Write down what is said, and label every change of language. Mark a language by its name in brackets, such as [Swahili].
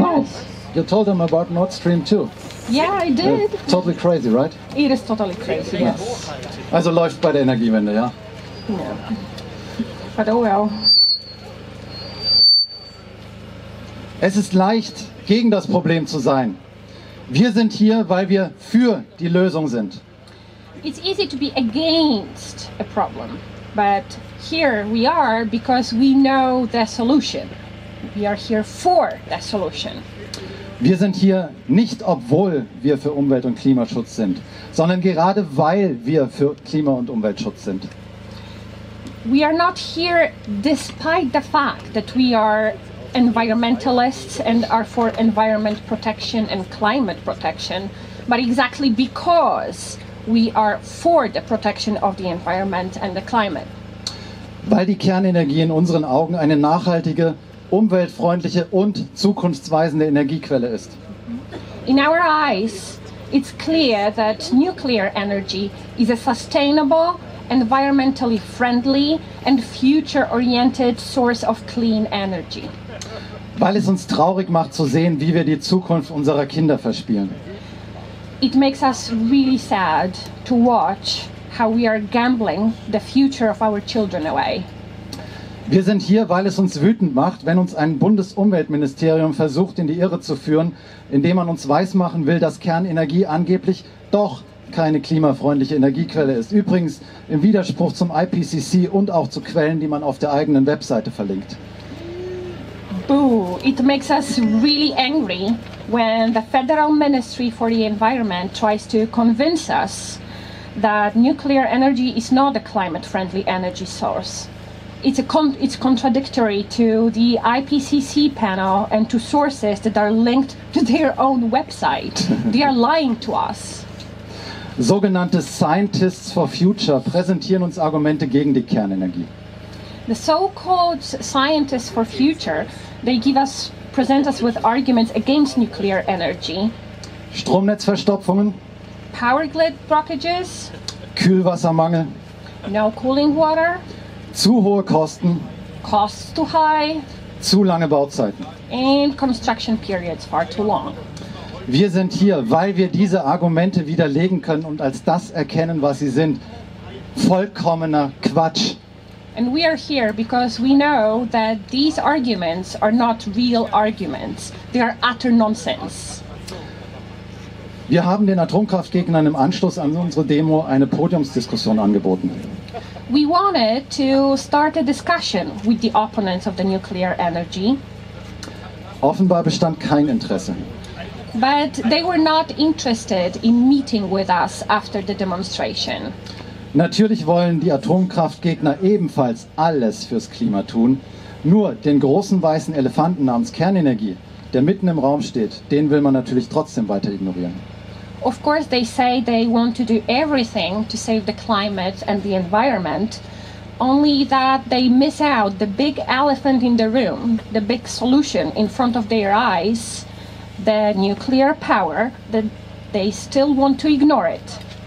[English] Oh, you told them about Nord Stream 2. Yeah, I did. Totally crazy, right? It is totally crazy. Yes. [German] Also läuft bei der Energiewende, ja? [English] Yeah. But oh well. [German] Es ist leicht, gegen das Problem zu sein. Wir sind hier, weil wir für die Lösung sind. [English] It's easy to be against a problem, but here we are because we know the solution. We are here for the solution. [German] Wir sind hier nicht, obwohl wir für Umwelt- und Klimaschutz sind, sondern gerade weil wir für Klima- und Umweltschutz sind. [English] We are not here despite the fact that we are environmentalists and are for environment protection and climate protection, but exactly because we are for the protection of the environment and the climate. [German] Weil die Kernenergie in unseren Augen eine nachhaltige, umweltfreundliche und zukunftsweisende Energiequelle ist. [English] In our eyes, it's clear that nuclear energy is a sustainable, environmentally friendly and future-oriented source of clean energy. [German] Weil es uns traurig macht zu sehen, wie wir die Zukunft unserer Kinder verspielen. [English] It makes us really sad to watch how we are gambling the future of our children away. [German] Wir sind hier, weil es uns wütend macht, wenn uns ein Bundesumweltministerium versucht, in die Irre zu führen, indem man uns weismachen will, dass Kernenergie angeblich doch keine klimafreundliche Energiequelle ist. Übrigens im Widerspruch zum IPCC und auch zu Quellen, die man auf der eigenen Webseite verlinkt. [English] Boo, it makes us really angry when the Federal Ministry for the Environment tries to convince us that nuclear energy is not a climate-friendly energy source. It's contradictory to the IPCC panel and to sources that are linked to their own website. They are lying to us. [German] Sogenannte Scientists for Future präsentieren uns Argumente gegen die Kernenergie. [English] The so-called Scientists for Future, they present us with arguments against nuclear energy. [German] Stromnetzverstopfungen. [English] Power grid blockages. [German] Kühlwassermangel. [English] No cooling water. [German] Zu hohe Kosten. [English] Costs too high. [German] Zu lange Bauzeiten. [English] And construction periods far too long. [German] Wir sind hier, weil wir diese Argumente widerlegen können und als das erkennen, was sie sind. vollkommener Quatsch. [English] And we are here because we know that these arguments are not real arguments. They are utter nonsense. [German] Wir haben den Atomkraftgegnern im Anschluss an unsere Demo eine Podiumsdiskussion angeboten. [English] We wanted to start a discussion with the opponents of the nuclear energy. [German] Offenbar bestand kein Interesse. [English] But they were not interested in meeting with us after the demonstration. [German] Natürlich wollen die Atomkraftgegner ebenfalls alles fürs Klima tun. Nur den großen weißen Elefanten namens Kernenergie, der mitten im Raum steht, den will man natürlich trotzdem weiter ignorieren. [English] Of course they say they want to do everything to save the climate and the environment, only that they miss out the big elephant in the room, the big solution in front of their eyes, the nuclear power, that they still want to ignore it.